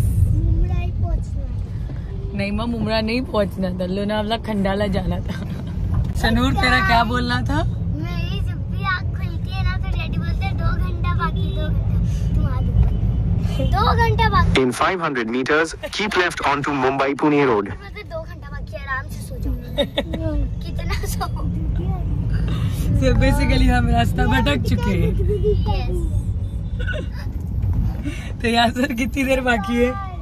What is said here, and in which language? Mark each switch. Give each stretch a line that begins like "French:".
Hindi: नहीं मैं मुमरा नहीं पहुंचना था, लोनावला खंडाला जाना था। सनूर तेरा क्या बोलना था? मेरी जब भी आँख खुलती है ना तो डैडी बोलते हैं 2 घंटा बाकी, 2 घंटा बाकी।
English: In 500 meters, keep left onto Mumbai Pune Road.
Hindi: मुझे 2 घंटा बाकी, आराम से सो जाऊँ। कितना सोऊँ? सो बेसिकली हम रास्ता भटक चुके हैं। तो यार सर कितनी देर बाकी है?